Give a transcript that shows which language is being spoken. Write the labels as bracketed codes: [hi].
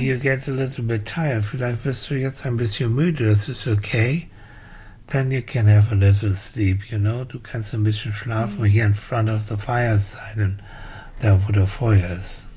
[en] you get a little bit tired, [de] vielleicht wirst du jetzt ein bisschen müde, das ist okay. [en] Then you can have a little sleep, you know. [de] Du kannst ein bisschen schlafen, hier [en] in front of the fire [de] sein, da wo der Feuer ist.